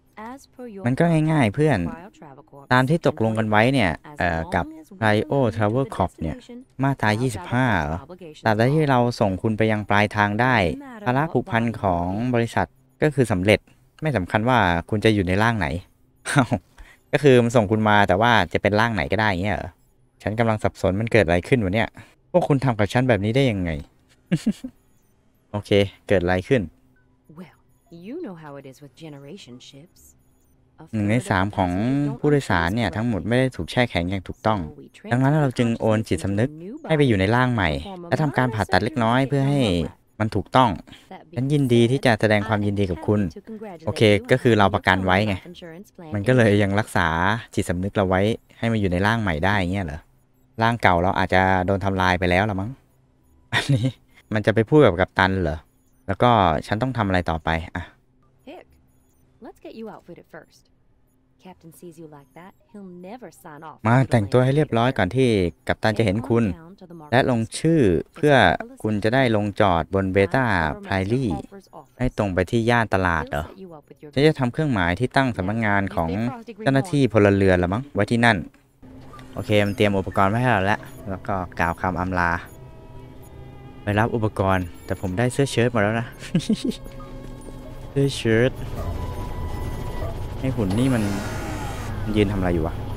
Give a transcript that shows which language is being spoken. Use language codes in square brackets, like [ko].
[en] As per your [th] มันก็ง่ายๆเพื่อนตามที่ตกลงกันไว้เนี่ยกับ Cryo Travel Corp เนี่ยมาตรา25เหรอแต่ได้ที่เราส่งคุณไปยังปลายทางได้ภาระผูกพันของบริษัทก็คือสำเร็จไม่สำคัญว่าคุณจะอยู่ในร่างไหน ก็คือมันส่งคุณมาแต่ว่าจะเป็นร่างไหนก็ได้เงี้ยเหรอฉันกำลังสับสนมันเกิดอะไรขึ้นวะเนี่ยพวกคุณทำกับฉันแบบนี้ได้ยังไงโอเคเกิดอะไรขึ้น [en] Well, you know how it is with generation ships. [th] 1ใน 3ของผู้โดยสารเนี่ยทั้งหมดไม่ได้ถูกแช่แข็งอย่างถูกต้องดังนั้นเราจึงโอนจิตสำนึกให้ไปอยู่ในร่างใหม่และทำการผ่าตัดเล็กน้อยเพื่อให้มันถูกต้องฉันยินดีที่จะแสดงความยินดีกับคุณโอเคก็คือเราประกันไว้ไงมันก็เลยยังรักษาจิตสำนึกเราไว้ให้มันอยู่ในร่างใหม่ได้เงี้ยเหรอร่างเก่าเราอาจจะโดนทำลายไปแล้วละมั้งอันนี้มันจะไปพูดกับกัปตันเหรอแล้วก็ฉันต้องทำอะไรต่อไปอ่ะ [en] Hick, let's get you outfitted first. Captain sees you like that, he'll never sign off. [th] มาแต่งตัวให้เรียบร้อยก่อนที่กัปตันจะเห็นคุณและลงชื่อเพื่อคุณจะได้ลงจอดบนเบต้าไพรลี่ให้ตรงไปที่ย่านตลาดเหรอฉันจะทำเครื่องหมายที่ตั้งสำนักงานของเจ้าหน้าที่พลเรือนละมั้งไว้ที่นั่นโอเคมันเตรียมอุปกรณ์ไว้ให้เราแล้วแล้วก็กล่าวคำอำลาไปรับอุปกรณ์แต่ผมได้เสื้อเชิ้ตมาแล้วนะเสื้อเชิ้ตให้หุ่นนี่มันยืนทำอะไรอยู่วะ